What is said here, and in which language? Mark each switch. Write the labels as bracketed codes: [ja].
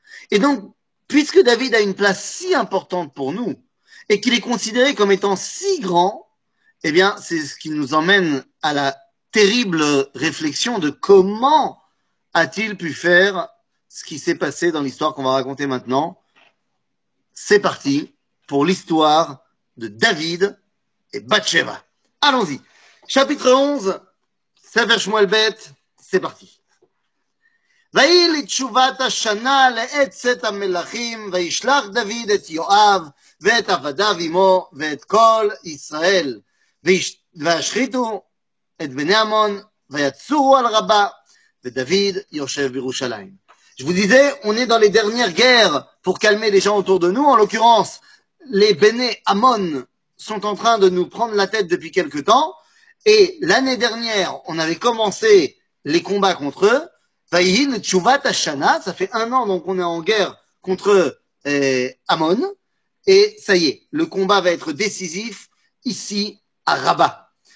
[fr] Et donc, puisque David a une place si importante pour nous et qu'il est considéré comme étant si grand, eh bien, c'est ce qui nous emmène à la terrible réflexion de comment a-t-il pu faire ce qui s'est passé dans l'histoire qu'on va raconter maintenant. C'est parti pour l'histoire de David et Bathsheba. Allons-y. Chapitre 11, Sefer Shmuel Bet, c'est parti. [he] ויהי לתשובת השנה לעצת המלכים, וישלח דוד את יואב ואת עבדיו עמו ואת כל ישראל, והשחיתו את בני עמון ויצורו על רבה, ודוד יושב בירושלים. [fr] Je vous disais, on est dans les dernières guerres pour calmer les gens autour de nous. En l'occurrence, les Béné Amon sont en train de nous prendre la tête depuis quelque temps. Et l'année dernière, on avait commencé les combats contre eux. [he] Vayin Tshuvat Hashana, [fr] ça fait un an donc on est en guerre contre Amon, et ça y est, le combat va être décisif ici à Rabat.